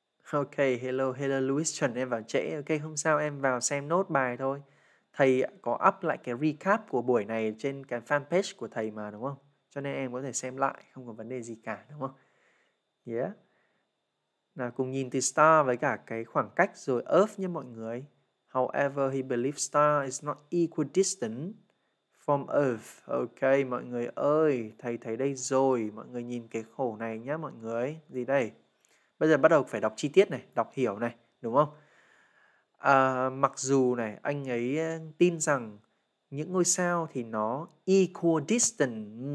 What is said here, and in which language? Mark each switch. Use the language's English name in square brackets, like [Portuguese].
[Vietnamese] Ok, hello Louis Trần, em vào trễ. Ok, không sao, em vào xem nốt bài thôi. Thầy có up lại cái recap của buổi này trên cái fanpage của thầy mà đúng không? Cho nên em có thể xem lại, không có vấn đề gì cả đúng không? Yeah. Nào, cùng nhìn từ star với cả cái khoảng cách rồi Earth nhé mọi người. [English] However, he believes star is not equidistant from Earth. [Vietnamese] Ok, mọi người ơi, thầy thấy đây rồi. Mọi người nhìn cái khổ này nhé mọi người. Gì đây? Bây giờ bắt đầu phải đọc chi tiết này, đọc hiểu này, đúng không? Mặc dù này, anh ấy tin rằng những ngôi sao thì nó equidistant.